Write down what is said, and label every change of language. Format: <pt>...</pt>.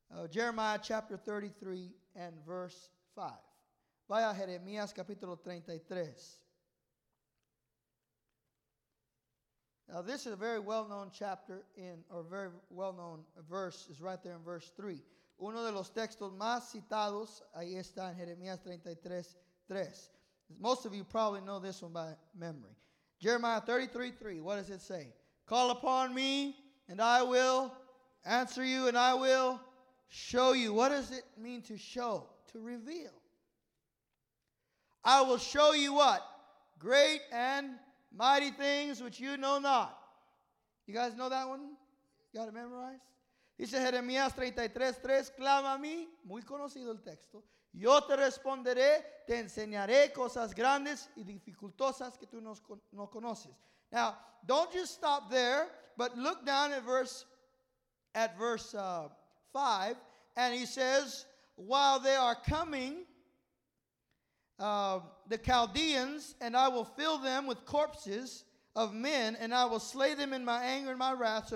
<en>Jeremiah chapter 33 and verse 5.</en> <es>Vaya Jeremías capítulo 33.</es> <en>Now this is a very well-known chapter very well-known verse is right there in verse 3.</en> <es>Uno de los textos más citados, ahí está en Jeremías 33:3.</es> <en>Most of you probably know this one by memory. Jeremiah 33:3, what does it say? Call upon me and I will answer you and I will show you. What does it mean to show? To reveal. I will show you what? Great and mighty things which you know not. You guys know that one? You got it memorized?</en> <es>Dice Jeremías 33:3, clama a mí, muy conocido el texto. Yo te responderé, te enseñaré cosas grandes y dificultosas que tú no conoces.</es> <en>Now, don't just stop there, but look down at verse 5, and he says, while they are coming, the Chaldeans, and I will fill them with corpses of men, and I will slay them in my anger and my wrath.</en>